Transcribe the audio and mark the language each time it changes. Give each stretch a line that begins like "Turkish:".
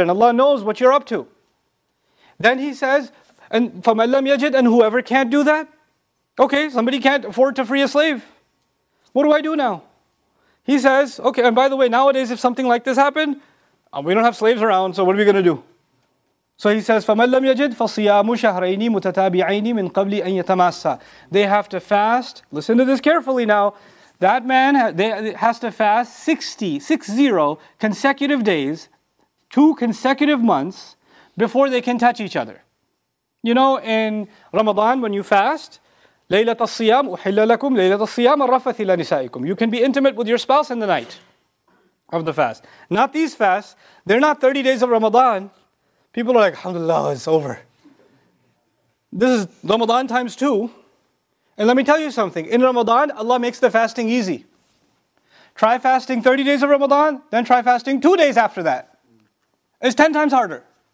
English: And Allah knows what you're up to. Then he says, and
Arabic: فَمَنْ لَمْ يَجِدْ,
English: and whoever can't do that? Okay, somebody can't afford to free a slave. What do I do now? He says, okay, and by the way, nowadays if something like this happened, we don't have slaves around, so what are we going to do? So he says,
Arabic: فَمَنْ لَمْ يَجِدْ فَصِيَامُ شَهْرَيْنِ مُتَتَابِعَيْنِ مِنْ قَبْلِ أَنْ يَتَمَاسَ.
English: They have to fast, listen to this carefully now, that man has to fast 60 consecutive days, 2 consecutive months, before they can touch each other. You know, in Ramadan, when you fast,
Arabic: لَيْلَةَ الصِّيَامُ أُحِلَّ لَكُمْ لَيْلَةَ الصِّيَامَ الرَّفَثِ لَنِسَائِكُمْ.
English: You can be intimate with your spouse in the night of the fast. Not these fasts. They're not 30 days of Ramadan. People are like, alhamdulillah, it's over. This is Ramadan times 2. And let me tell you something. In Ramadan, Allah makes the fasting easy. Try fasting 30 days of Ramadan, then try fasting 2 days after that. It's 10 times harder.